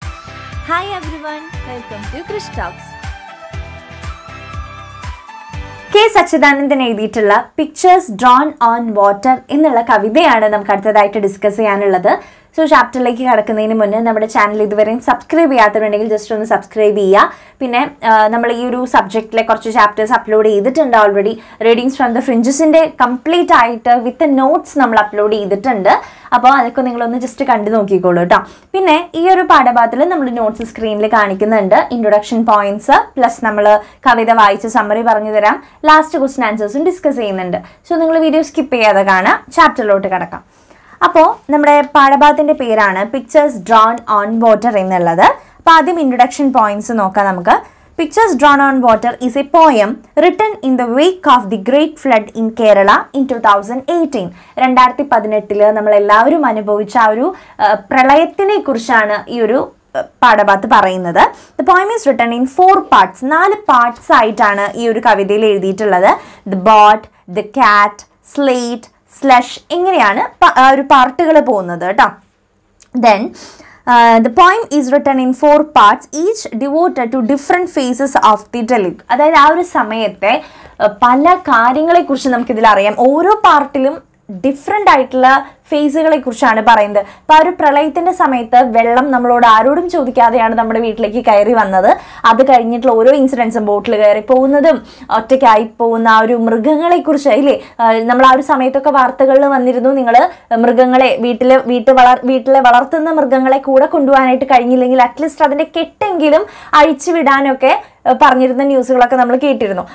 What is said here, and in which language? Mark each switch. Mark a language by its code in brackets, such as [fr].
[en] Hi everyone, welcome to Krish Talkz. [ml] K Sachidanandan എഴുതിയിട്ടുള്ള pictures drone on water എന്നുള്ള കവിതയാണ് നമുക്ക് അടുത്തതായിട്ട് ഡിസ്കസ് ചെയ്യാനുള്ളത്. സോ ചാപ്റ്ററിലേക്ക് കടക്കുന്നതിന് മുന്നേ നമ്മുടെ ചാനൽ ഇതുവരെയും സബ്സ്ക്രൈബ് ചെയ്യാത്തവരുണ്ടെങ്കിൽ ജസ്റ്റ് ഒന്ന് സബ്സ്ക്രൈബ് ചെയ്യുക. പിന്നെ നമ്മൾ ഈ ഒരു സബ്ജക്റ്റിലെ കുറച്ച് ചാപ്റ്റേഴ്സ് അപ്ലോഡ് ചെയ്തിട്ടുണ്ട് already. Readings from the ഫ്രിഞ്ചസിൻ്റെ complete ആയിട്ട് വിത്ത് നോട്ട്സ് നമ്മൾ അപ്ലോഡ് ചെയ്തിട്ടുണ്ട്. അപ്പോൾ അതൊക്കെ നിങ്ങളൊന്ന് ജസ്റ്റ് കണ്ടു നോക്കിക്കോളൂ കേട്ടോ. പിന്നെ ഈ ഒരു പാഠഭാഗത്തിൽ നമ്മൾ നോട്ട്സ് സ്ക്രീനിൽ കാണിക്കുന്നുണ്ട്. ഇൻട്രൊഡക്ഷൻ പോയിന്റ്സ് പ്ലസ് നമ്മൾ കവിത വായിച്ച് സമ്മറി പറഞ്ഞു തരാം. ലാസ്റ്റ് ക്വസ്റ്റ്യൻ ആൻസേഴ്സും ഡിസ്കസ് ചെയ്യുന്നുണ്ട്. സോ നിങ്ങൾ വീഡിയോ സ്കിപ്പ് ചെയ്യാതെ കാണാം, ചാപ്റ്ററിലോട്ട് കടക്കാം. അപ്പോൾ നമ്മുടെ പാഠഭാഗത്തിൻ്റെ പേരാണ് പിക്ചേഴ്സ് ഡ്രോൺ ഓൺ വാട്ടർ എന്നുള്ളത്. അപ്പോൾ ആദ്യം ഇൻട്രൊഡക്ഷൻ പോയിന്റ്സ് നോക്കാം നമുക്ക്. [en] Pictures Drawn on Water is a poem written in the wake of the Great Flood in Kerala in 2018. [ml] 2018-ൽ നമ്മളെല്ലാവരും അനുഭവിച്ച ആ ഒരു പ്രളയത്തിനെ കുറിച്ചാണ് ഈ ഒരു പാഠഭാഗത്ത് പറയുന്നത്. [en] the poem is written in four parts, [ml] നാല് പാർട്സ് ആയിട്ടാണ് ഈ ഒരു കവിതയിൽ എഴുതിയിട്ടുള്ളത്. The boat, the cat, slate, slush, ഇങ്ങനെയാണ് ഒരു പാർട്ടുകൾ പോകുന്നത് കേട്ടോ. [en] Then the poem is written in four parts, each devoted to different phases of the Dalit. [ml] അതായത് ആ ഒരു സമയത്തെ പല കാര്യങ്ങളെക്കുറിച്ച് നമുക്കിതിൽ അറിയാം. ഓരോ പാർട്ടിലും ഡിഫറെൻ്റ് ആയിട്ടുള്ള ഫേസുകളെ കുറിച്ചാണ് പറയുന്നത്. അപ്പം ആ ഒരു പ്രളയത്തിൻ്റെ സമയത്ത് വെള്ളം നമ്മളോട് ആരോടും ചോദിക്കാതെയാണ് നമ്മുടെ വീട്ടിലേക്ക് കയറി വന്നത്. അത് കഴിഞ്ഞിട്ടുള്ള ഓരോ ഇൻസിഡൻസും, ബോട്ടിൽ കയറി പോകുന്നതും ഒറ്റയ്ക്കായി പോകുന്ന ആ ഒരു മൃഗങ്ങളെക്കുറിച്ച്, അല്ലേ, നമ്മൾ ആ ഒരു സമയത്തൊക്കെ വാർത്തകളിൽ വന്നിരുന്നു നിങ്ങൾ മൃഗങ്ങളെ വീട്ടിലെ വളർത്തുന്ന മൃഗങ്ങളെ കൂടെ കൊണ്ടുപോകാനായിട്ട് കഴിഞ്ഞില്ലെങ്കിൽ അറ്റ്ലീസ്റ്റ് അതിൻ്റെ കെട്ടെങ്കിലും അഴിച്ചു വിടാനൊക്കെ പറഞ്ഞിരുന്ന ന്യൂസുകളൊക്കെ നമ്മൾ കേട്ടിരുന്നു.